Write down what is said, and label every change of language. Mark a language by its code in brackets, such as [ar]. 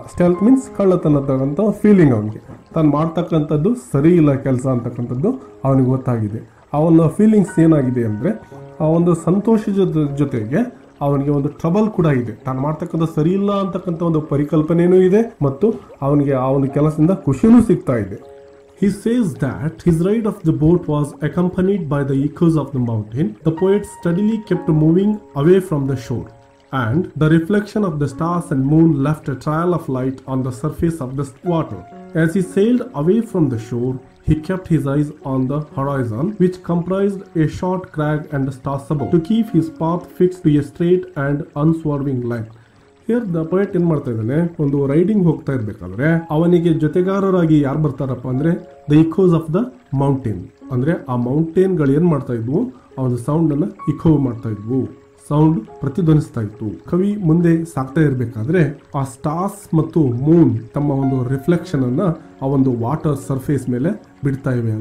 [kn] Stealth means ಕಳ್ಳತನದ ಅಂತ feeling. ಅವನಿಗೆ ತಾನು ಮಾಡ್ತಕ್ಕಂಥದ್ದು ಸರಿ ಇಲ್ಲ ಕೆಲಸ ಅಂತಕ್ಕಂಥದ್ದು ಅವನಿಗೆ ಗೊತ್ತಾಗಿದೆ. ಅವನ ಫೀಲಿಂಗ್ಸ್ ಏನಾಗಿದೆ ಅಂದರೆ ಆ ಒಂದು ಸಂತೋಷದ ಜೊತೆಗೆ ಅವನಿಗೆ ಒಂದು ಟ್ರಬಲ್ ಕೂಡ ಇದೆ. ತಾನು ಮಾಡ್ತಕ್ಕಂಥ ಸರಿ ಇಲ್ಲ ಅಂತಕ್ಕಂಥ ಒಂದು ಪರಿಕಲ್ಪನೆಯೂ ಇದೆ ಮತ್ತು ಅವನಿಗೆ ಆ ಒಂದು ಕೆಲಸದಿಂದ ಖುಷಿಯೂ ಸಿಗ್ತಾ ಇದೆ. [en] He says that his ride of the boat was accompanied by the echoes of the mountain. The poet steadily kept moving away from the shore, and the reflection of the stars and moon left a trail of light on the surface of the water. As he sailed away from the shore, he kept his eyes on the horizon, which comprised a short crag and the stars above, to keep his path fixed to a straight and unswerving line. [kn] Here the poet ಏನ್ ಮಾಡ್ತಾ ಇದ್ದಾನೆ, ಒಂದು riding ಹೋಗ್ತಾ ಇರ್ಬೇಕಾದ್ರೆ ಅವನಿಗೆ ಜೊತೆಗಾರರಾಗಿ ಯಾರು ಬರ್ತಾರಪ್ಪ ಅಂದ್ರೆ the equals of the mountain. ಅಂದ್ರೆ ಆ ಮೌಂಟೇನ್ಗಳು ಏನ್ ಮಾಡ್ತಾ ಇದ್ವು, ಅವನ ಸೌಂಡ್ ಅನ್ನ ಇಕೋ ಮಾಡ್ತಾ ಇದ್ವು, ಸೌಂಡ್ ಪ್ರತಿಧ್ವನಿಸ್ತಾ ಇತ್ತು. ಕವಿ ಮುಂದೆ ಸಾಕ್ತಾ ಇರಬೇಕಾದ್ರೆ ಆ ಸ್ಟಾರ್ಸ್ ಮತ್ತು ಮೂನ್ ತಮ್ಮ ಒಂದು ರಿಫ್ಲೆಕ್ಷನ್ ಅನ್ನ ಆ ಒಂದು ವಾಟರ್ ಸರ್ಫೇಸ್ ಮೇಲೆ ಬಿಡ್ತಾ ಇವೆ.